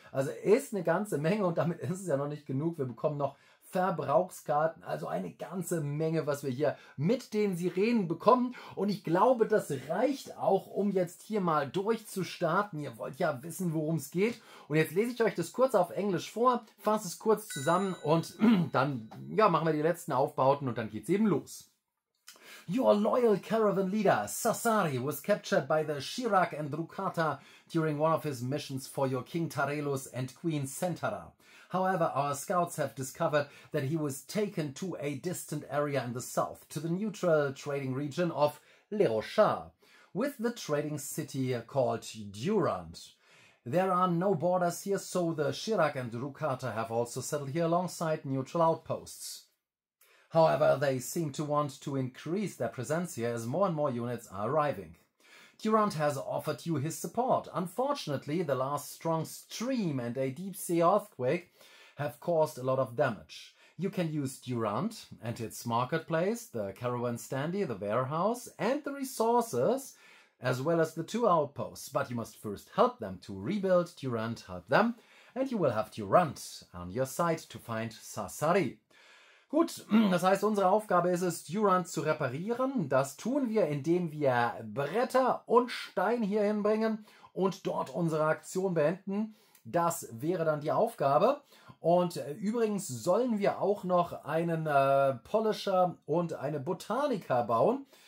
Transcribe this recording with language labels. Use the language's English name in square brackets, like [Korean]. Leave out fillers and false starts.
[German] Also ist eine ganze Menge und damit ist es ja noch nicht genug. Wir bekommen noch Verbrauchskarten, also eine ganze Menge, was wir hier mit den Sirenen bekommen. Und ich glaube, das reicht auch, um jetzt hier mal durchzustarten. Ihr wollt ja wissen, worum es geht. Und jetzt lese ich euch das kurz auf Englisch vor, fasse es kurz zusammen und dann ja, machen wir die letzten Aufbauten und dann geht's eben los. [English] Your loyal caravan leader, Sassari, was captured by the Shirak and Drukhata during one of his missions for your King Tarelus and Queen Sentara. However, our scouts have discovered that he was taken to a distant area in the south, to the neutral trading region of Leroshah, with the trading city called Durand. There are no borders here, so the Shirak and Drukhata have also settled here alongside neutral outposts. However, they seem to want to increase their presence here as more and more units are arriving. Durand has offered you his support. Unfortunately, the last strong stream and a deep sea earthquake have caused a lot of damage. You can use Durand and its marketplace, the caravan standee, the warehouse, and the resources, as well as the two outposts. But you must first help them to rebuild. Durand, help them, and you will have Durand on your side to find Sassari. [German] Gut, das heißt, unsere Aufgabe ist es, Durand zu reparieren. Das tun wir, indem wir Bretter und Stein hier hinbringen und dort unsere Aktion beenden. Das wäre dann die Aufgabe. Und übrigens sollen wir auch noch einen Polisher und eine Botaniker bauen.